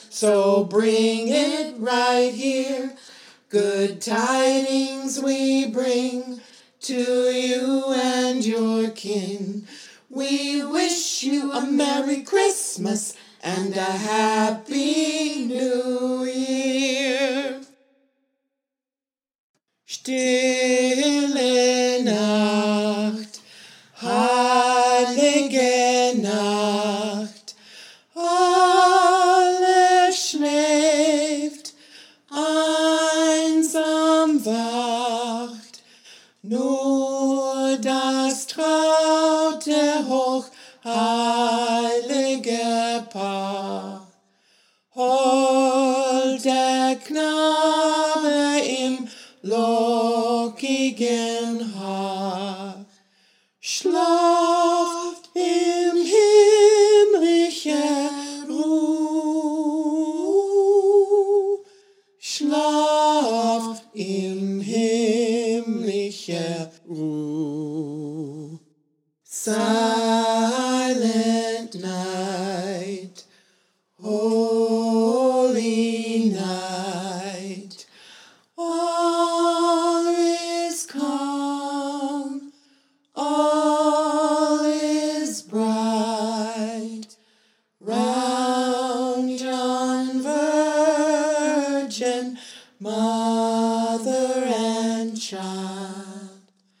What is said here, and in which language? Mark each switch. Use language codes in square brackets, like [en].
[en] So bring it right here. Good tidings we bring to you and your kin. We wish you a Merry Christmas and a Happy New Year. Shh. [de] Stille Nacht, heilige Nacht, alle schläft, einsam wacht, nur das traute hoch heilige Paar. Hol der Knabe im lockigen Haar, schlaft im himmlischen Ruh, schlaft im himmlischen Ruh. [en] Silent night, holy night, all is calm, all is bright, round yon virgin mother and child.